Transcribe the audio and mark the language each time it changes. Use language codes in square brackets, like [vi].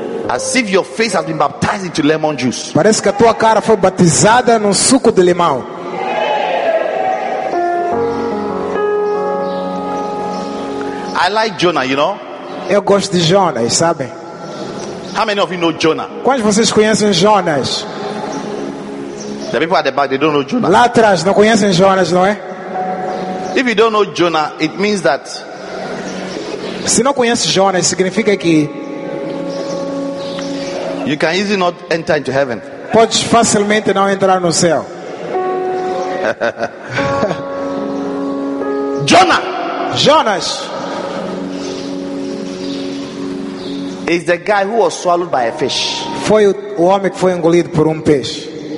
[en] As if your face has been baptized into lemon juice. [pt] Parece que a tua cara foi batizada no suco de limão. [en] I like Jonah, you know? [pt] Eu gosto de Jonas, sabe? [en] How many of you know Jonah? [pt] Quantos de vocês conhecem Jonas? [en] The people at the back, they don't know Jonah. [pt] Lá atrás não conhecem Jonas, não é? [en] If you don't know Jonah, it means that. [pt] Se não conhece Jonas, significa que [en] you can easily not enter into heaven. [pt] Pode facilmente não entrar no céu. [en] Jonah. [pt] Jonas. [en] Is the guy who was swallowed by a fish. [pt] Foi o homem que foi engolido por peixe.